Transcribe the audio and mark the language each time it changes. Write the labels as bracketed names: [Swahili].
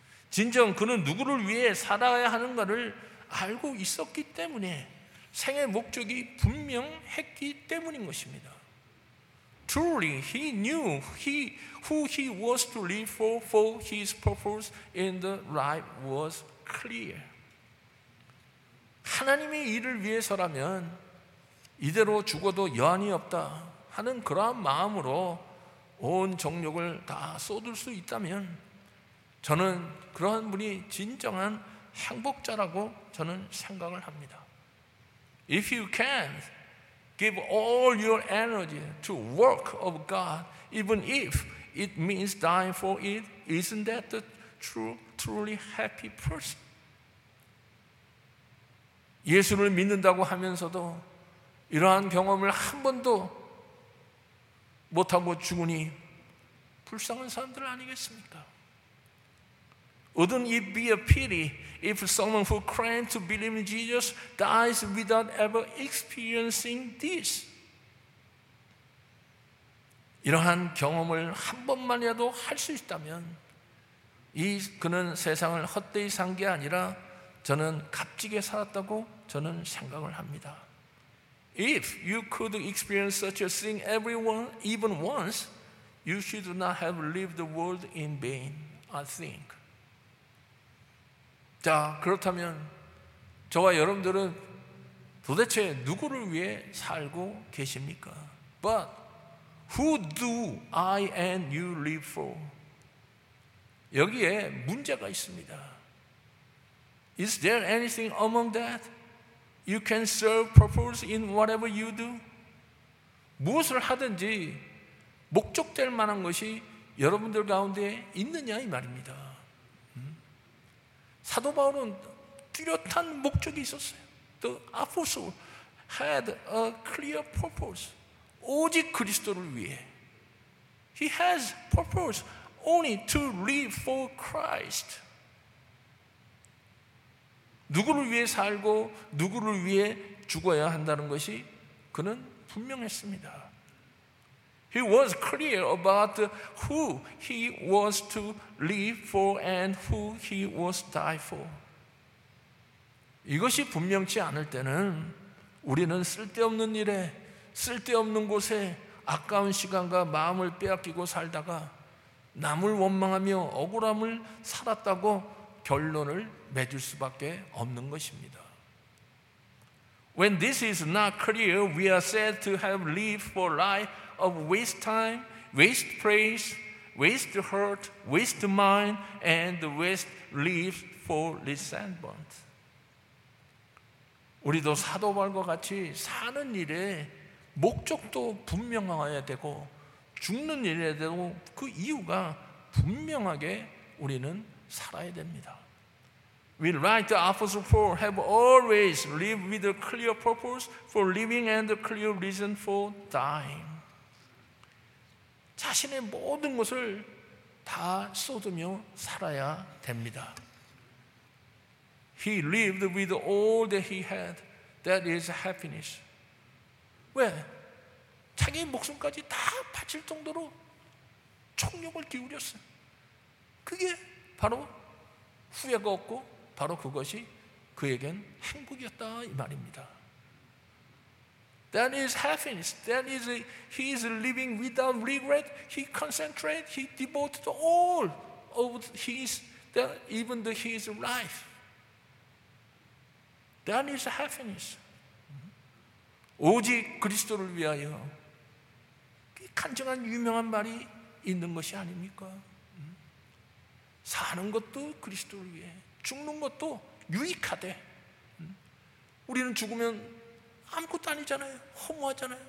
[Korean] 진정 그는 누구를 위해 살아야 하는가를 알고 있었기 때문에 생의 목적이 분명했기 때문인 것입니다. [English] Truly, he knew who he was to live for his purpose and the life was clear. [Korean] 하나님의 일을 위해서라면 이대로 죽어도 여한이 없다 하는 그러한 마음으로 온 정력을 다 쏟을 수 있다면 저는 그러한 분이 진정한 행복자라고 저는 생각을 합니다. [English] If you can give all your energy to work of God, even if it means dying for it, isn't that the truly happy person? [Korean] 예수를 믿는다고 하면서도 이러한 경험을 한 번도 못하고 죽으니 불쌍한 사람들 아니겠습니까? [English] Wouldn't it be a pity if someone who claimed to believe in Jesus dies without ever experiencing this? [Korean] 이러한 경험을 한 번만이라도 할 수 있다면 그는 세상을 헛되이 산 게 아니라 저는 값지게 살았다고 저는 생각을 합니다. [English] If you could experience such a thing everyone even once, you should not have lived the world in vain, I think. [Korean] 자, 그렇다면 저와 여러분들은 도대체 누구를 위해 살고 계십니까? [English] But who do I and you live for? [Korean] 여기에 문제가 있습니다. [English] Is there anything among that? You can serve purpose in whatever you do. [Korean] 무엇을 하든지 목적될 만한 것이 여러분들 가운데 있느냐 이 말입니다. 사도 바울은 뚜렷한 목적이 있었어요. [English] The apostle had a clear purpose. [Korean] 오직 그리스도를 위해. [English] He has purpose only to live for Christ. [Korean] 누구를 위해 살고 누구를 위해 죽어야 한다는 것이 그는 분명했습니다. [English] He was clear about who he was to live for and who he was to die for. [Korean] 이것이 분명치 않을 때는 우리는 쓸데없는 일에, 쓸데없는 곳에 아까운 시간과 마음을 빼앗기고 살다가 남을 원망하며 억울함을 살았다고 결론을 맺을 수밖에 없는 것입니다. [English] When this is not clear, we are said to have lived for life of waste time, waste praise, waste hurt, waste mind, and waste lives for resentment. [Korean] 우리도 사도바울과 같이 사는 일에 목적도 분명해야 되고 죽는 일에 대해서 그 이유가 분명하게 우리는 살아야 됩니다. [English] We like the Apostle Paul have always lived with a clear purpose for living and a clear reason for dying. [Korean] 자신의 모든 것을 다 쏟으며 살아야 됩니다. [English] He lived with all that he had. That is happiness. [Korean] 왜? 자기 목숨까지 다 바칠 정도로 총력을 기울였어요. 그게 바로 후회가 없고 바로 그것이 그에겐 행복이었다 이 말입니다. [English] That is happiness. That is he is living without regret. He concentrated. He devoted all of his, even the his life. That is happiness. [Korean] 오직 그리스도를 위하여 간증한 유명한 말이 있는 것이 아닙니까? 사는 것도 그리스도를 위해 죽는 것도 유익하되 우리는 죽으면 아무것도 아니잖아요. 허무하잖아요.